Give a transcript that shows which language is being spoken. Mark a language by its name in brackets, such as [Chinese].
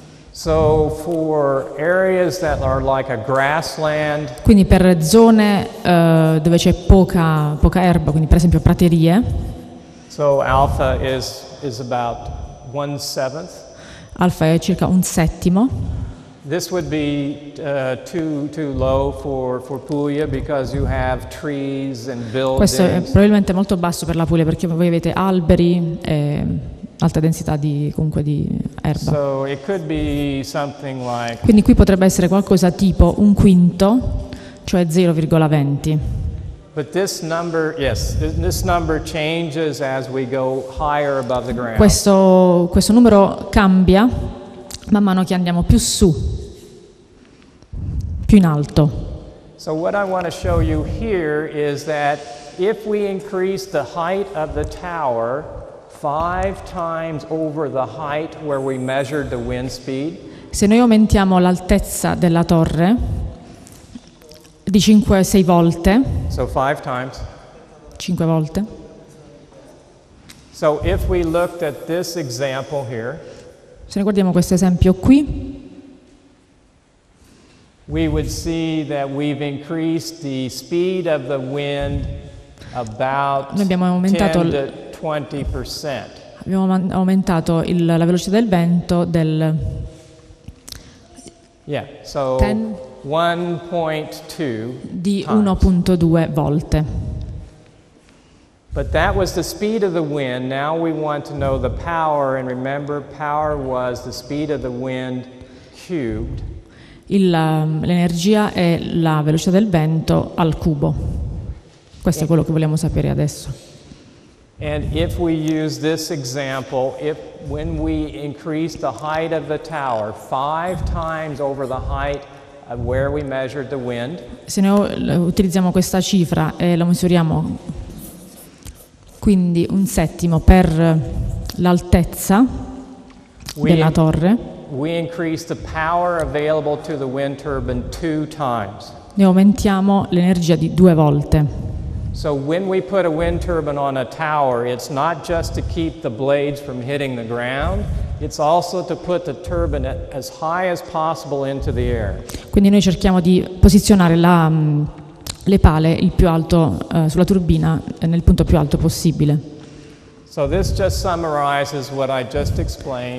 [English] So for areas that are like a grassland. [Italian] Quindi per zone dove c'è poca erba, quindi per esempio praterie. [English] So alpha is about 1/7. [Italian] Alfa è circa un settimo. [English] This would be too low for Puglia because you have trees and buildings. [Italian] Questo è probabilmente molto basso per la Puglia perché voi avete alberi e alta densità di erba. [English] So it could be something like. [Italian] Quindi qui potrebbe essere qualcosa tipo un quinto, cioè 0,20. [English] But this number, yes, this number changes as we go higher above the ground. [Italian] Questo numero cambia man mano che andiamo più su, più in alto. [English] So what I want to show you here is that if we increase the height of the tower 5 times over the height where we measured the wind speed. [Italian] Se noi aumentiamo l'altezza della torre di 5-6 volte. [English] So 5 times. [Italian] 5 volte. [English] So if we looked at this example here. [Italian] Se noi guardiamo questo esempio qui. [English] We would see that we've increased the speed of the wind about. [Italian] Noi abbiamo aumentato [English] 20%. [Italian] Abbiamo aumentato la velocità del vento del [English] 1.2 [Italian] di 1.2 volte. [English] But that was the speed of the wind. Now we want to know the power and remember power was the speed of the wind cubed. [Italian] L'energia è la velocità del vento al cubo. Questo è quello che vogliamo sapere adesso. [English] And if we use this example, when we increase the height of the tower 5 times over the height of where we measured the wind. [Italian] Se noi utilizziamo questa cifra e la misuriamo quindi un settimo per l'altezza della torre. [English] We increase the power available to the wind turbine 2 times. [Italian] Noi aumentiamo l'energia di 2 volte. [English] So when we put a wind turbine on a tower, it's not just to keep the blades from hitting the ground, it's also to put the turbine as high as possible into the air. [Italian] Quindi noi cerchiamo di posizionare le pale il più alto sulla turbina nel punto più alto possibile. [English] So this just summarizes what I just explained.